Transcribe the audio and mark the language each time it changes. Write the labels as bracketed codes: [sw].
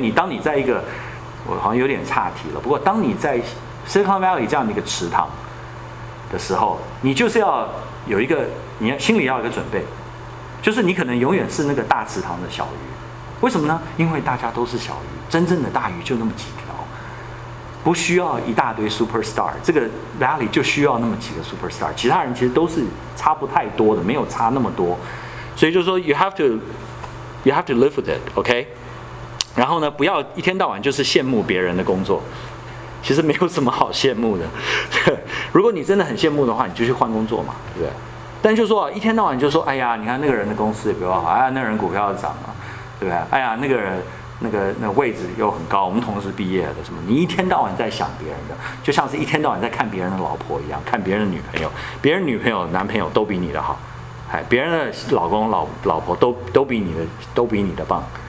[zh] 你当你在一个，我好像有点岔题了，不过当你在 Silicon Valley 这样的一个池塘的时候，你就是要有一个，你心里要有一个准备，就是你可能永远是那个大池塘的小鱼。为什么呢？因为大家都是小鱼，真正的大鱼就那么几条，不需要一大堆 superstar， 这个 valley 就需要那么几个 superstar， 其他人其实都是差不太多的，没有差那么多。所以就是说 [en] you have to live with it， OK？ [zh] 然后呢，不要一天到晚就是羡慕别人的工作，其实没有什么好羡慕的。如果你真的很羡慕的话，你就去换工作嘛，对不对？但就说一天到晚就说，哎呀，你看那个人的公司也比较好，哎呀，那个人股票涨了，对不对？哎呀，那个人那个位置又很高，我们同时毕业的什么？你一天到晚在想别人的，就像是一天到晚在看别人的老婆一样，看别人的女朋友，别人女朋友、男朋友都比你的好，哎，别人的老公、老婆都比你的棒。